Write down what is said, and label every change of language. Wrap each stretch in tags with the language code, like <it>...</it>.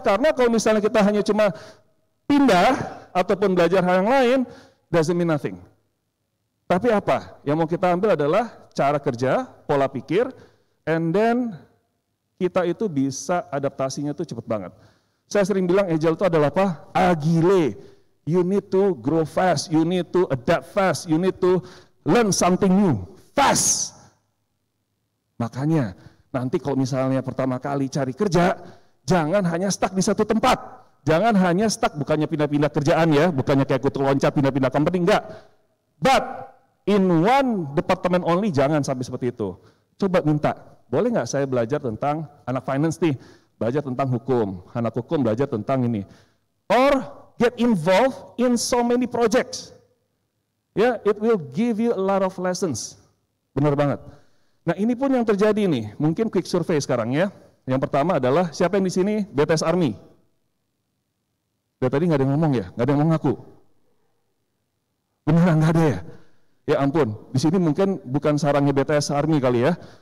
<id>Karena kalau misalnya kita hanya cuma pindah ataupun belajar hal yang lain,</id> <en>doesn't mean nothing.</en> <id>Tapi apa? Yang mau kita ambil adalah cara kerja, pola pikir,</id> <en>and then</en> <id>kita itu bisa adaptasinya tuh cepat banget. Saya sering bilang agile itu adalah apa?</id> <en>Agile. You need to grow fast, you need to adapt fast, you need to learn something new, fast.</en> <id>Makanya, nanti kalau misalnya pertama kali cari kerja, jangan hanya stuck di satu tempat. Jangan hanya stuck, bukannya pindah-pindah kerjaan ya, bukannya kayak kutu loncat, pindah-pindah company, enggak.</id> <en>But, in one department only,</en> <id>jangan sampai seperti itu. Coba minta, boleh enggak saya belajar tentang anak finance nih, belajar tentang hukum, anak hukum belajar tentang ini.</id> <en>Or, get involved in so many projects. Yeah, it will give you a lot of lessons.</en> <id>Benar banget. Nah, ini pun yang terjadi nih. Mungkin quick survey sekarang ya. Yang pertama adalah, siapa yang di sini BTS Army? Dari tadi gak ada yang ngomong ya? Gak ada yang mau ngaku? Beneran gak ada ya? Ya ampun, di sini mungkin bukan sarangnya BTS Army kali ya.</id>